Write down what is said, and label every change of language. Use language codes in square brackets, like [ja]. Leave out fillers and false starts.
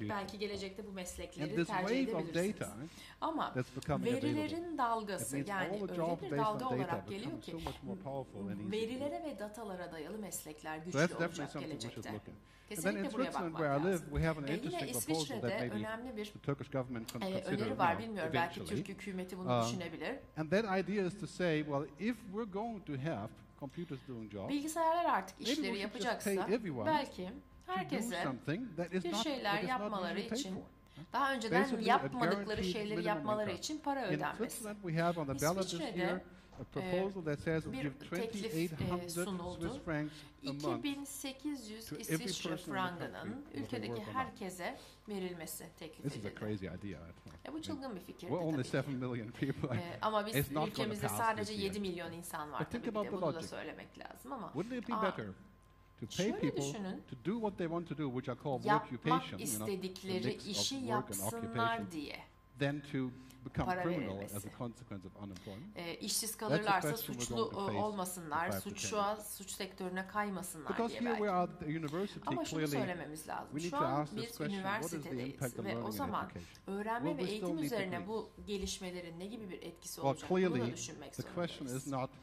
[tr] Belki gelecekte bu meslekleri tercih edebilirsiniz. Data, ama verilerin dalgası yani öyle bir dalga olarak geliyor ki verilere ve datalara dayalı meslekler güçlü olacak gelecekte. Kesinlikle buraya bakmak lazım. Yine İsviçre'de önemli bir öneri var bilmiyorum. Belki Türk hükümeti bunu düşünebilir. [en] And that idea is to say, well, if we're going to have computers doing jobs, [tr] bilgisayarlar artık işleri yapacaksa, belki herkese bir şeyler yapmaları için daha önceden yapmadıkları şeyleri yapmaları için para ödenmesi. İsviçre'de [en] proposal that says we give 2800 Swiss francs a month. [tr] 2800 İsviçre frangının ülkedeki herkese verilmesi teklif edildi. [en] This is a crazy idea. [tr] Bu çılgın bir fikir. [en] We're only 7 million people. [tr] Ama biz ülkemizde sadece 7 milyon insan var. Bunu da söylemek lazım ama. [en] Wouldn't it be better? to pay people to do what they want to do, which I call [tr] yapmak [en] work occupation, you know, the mix of work and occupation, [tr] diye. [en] Then to become criminal as a consequence of unemployment. [tr] İşsiz kalırlarsa suçlu olmasınlar, suç sektörüne kaymasınlar [en] because [tr] diye belki. Ama şunu söylememiz lazım. Şu an bir üniversitedeyiz ve o zaman öğrenme ve eğitim üzerine bu gelişmelerin ne gibi bir etkisi olacak [en] clearly, [tr] bunu düşünmek zorundayız.